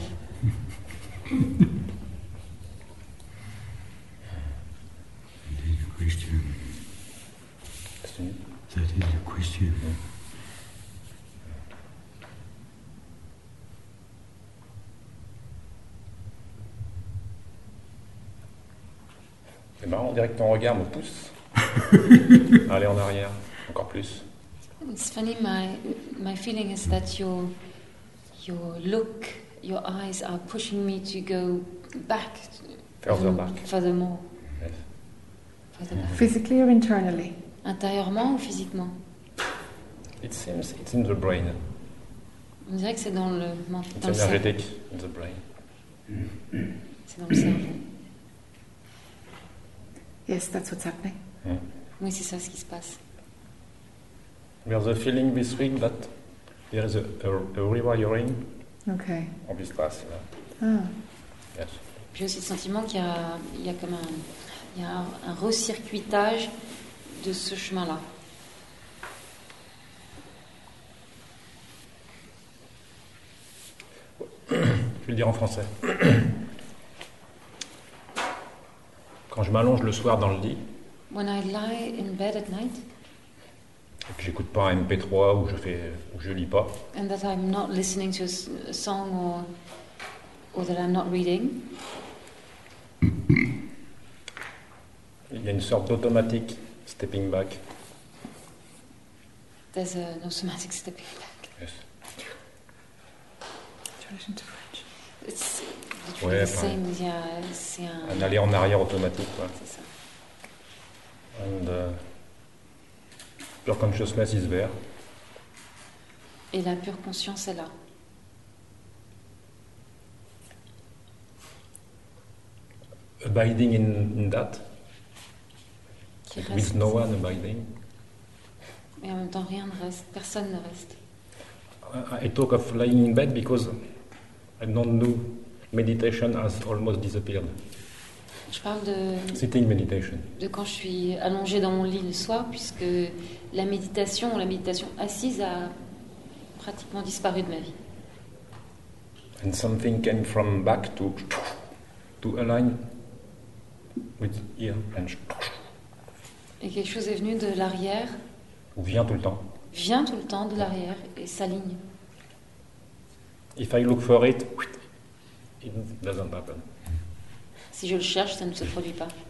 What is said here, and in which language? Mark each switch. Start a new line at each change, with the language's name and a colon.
English: That is the question. That is the question.
French: C'est marrant, on dirait que ton regard me pousse. Allez en arrière, encore plus.
English: It's funny, my feeling is that your look, your eyes are pushing me to go back. Further back. Further more. Yes. Further back. Physically or internally?
French: Intérieurement ou physiquement?
English: It seems it's in the brain.
French: On dirait que c'est dans le mental.
English: It's energetic in the brain.
French: C'est dans le cerveau.
English: Yes, that's what's happening. Yeah.
French: Oui, c'est ça ce qui se passe.
English: There's a feeling this week that there is a rewiring. Okay. On this class. Yeah. Ah. Yes.
French: J'ai aussi le sentiment qu'il y a comme un recircuitage de ce chemin-là. Je vais le dire en français. Quand je m'allonge le soir dans le lit.
English: When I lie in bed at night.
French: Et que j'écoute pas un MP3 ou je lis pas.
English: And that I'm not listening to a song or that I'm not reading.
French: Il y a une sorte d'automatique
English: stepping back. There's an automatic stepping back. Yes. Do you listen to French? It's the same. Yeah,
French: un aller en arrière automatique, quoi. C'est ça.
English: And pure consciousness is there.
French: Et la pure conscience est là.
English: Abiding in that. With no one abiding.
French: Mais en même temps, rien ne reste. Personne ne reste.
English: I talk of lying in bed because I don't know. Meditation has almost disappeared.
French: Je parle de
English: sitting meditation.
French: De quand je suis allongée dans mon lit le soir, puisque la méditation assise a pratiquement disparu de ma vie.
English: And something came from back to align with here and
French: et quelque chose est venu de l'arrière. Ou vient tout le temps. Vient tout le temps de l'arrière et s'aligne.
English: If I look for it, it doesn't happen.
French: Si je le cherche, ça ne se produit pas.